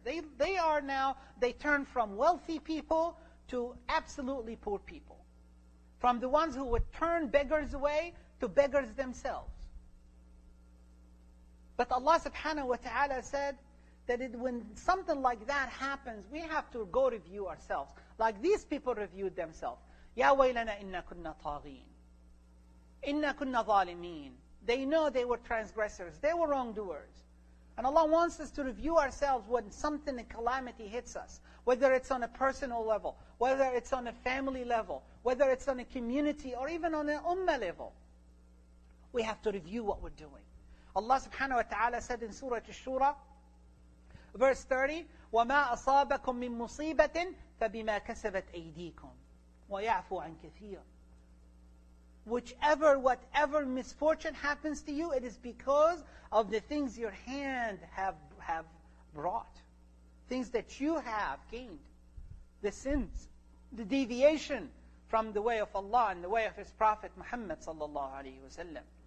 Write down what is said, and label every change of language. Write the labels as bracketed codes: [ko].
[en] They are now, they turn from wealthy people to absolutely poor people. From the ones who would turn beggars away to beggars themselves. But Allah subhanahu wa ta'ala said that when something like that happens, we have to go review ourselves. Like these people reviewed themselves. [ar] يَا وَيْلَنَا إِنَّا كُنَّا طَاغِينَ إِنَّا كُنَّا ظَالِمِينَ [en] They know they were transgressors. They were wrongdoers. And Allah wants us to review ourselves when something, a calamity hits us. Whether it's on a personal level, whether it's on a family level, whether it's on a community, or even on an ummah level. We have to review what we're doing. Allah subhanahu wa ta'ala said in Surah Ash-Shura, verse 30, [ar] وَمَا أَصَابَكُم مِّن مُصِيبَةٍ فَبِمَا كَسَبَتْ أَيْدِيكُمْ وَيَعْفُوا عَنْ كَثِيرٍ. [en] Whatever misfortune happens to you, it is because of the things your hand have brought. Things that you have gained. The sins, the deviation from the way of Allah and the way of His Prophet Muhammad sallallahu alayhi wa sallam.